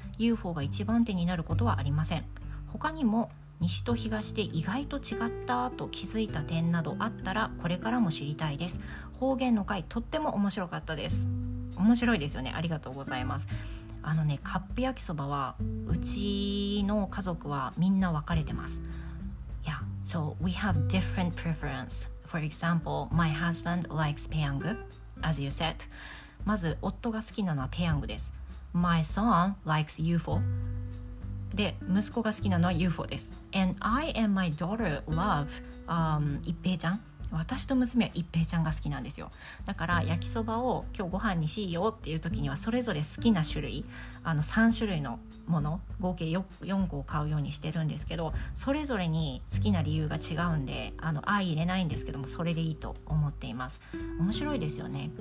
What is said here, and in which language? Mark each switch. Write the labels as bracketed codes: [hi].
[ja] UFO が一番手になることはありません。他にも西と東で意外と違ったと気づいた点などあったらこれからも知りたいです。方言の回とっても面白かったです。面白いですよね。ありがとうございます。あのね、カップ焼きそばはうちの家族はみんな分かれてます。 [en] Yeah, so we have different preference. For example, my husband likes Peyang, as you said. [ja] まず夫が好きなのはペヤングです。 [en] My son likes UFO. [ja] で、息子が好きなのは UFO です。 [en] And I and my daughter love 一平ちゃん。 [ja] 私と娘は一平ちゃんが好きなんですよ。だから焼きそばを今日ご飯にしようっていう時にはそれぞれ好きな種類、あの3種類のもの合計 4個を買うようにしてるんですけど、それぞれに好きな理由が違うんで、あの相入れないんですけども、それでいいと思っています。面白いですよね。